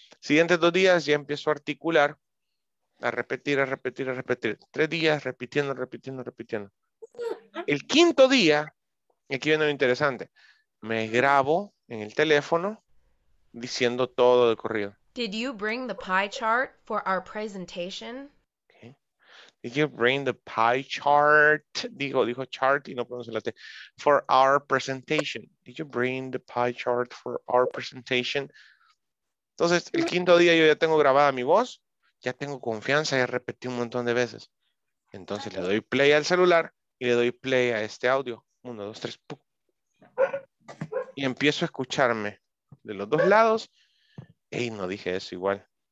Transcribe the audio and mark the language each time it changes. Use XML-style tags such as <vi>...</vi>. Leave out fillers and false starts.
<es>Siguientes dos días ya empiezo a articular, a repetir, a repetir, a repetir. Tres días repitiendo, repitiendo, repitiendo. El quinto día, aquí viene lo interesante, me grabo en el teléfono diciendo todo de corrido.</es> <en>Did you bring the pie chart for our presentation? Did you bring the pie chart?</en> <es>Dijo chart y no pronuncié la T.</es> <en>For our presentation. Did you bring the pie chart for our presentation?</en> <es>Entonces, el quinto día yo ya tengo grabada mi voz. Ya tengo confianza, ya repetí un montón de veces. Entonces, le doy play al celular y le doy play a este audio. Uno, dos, tres. ¡Pum! Y empiezo a escucharme de los dos lados. Ey, no dije eso igual.</es>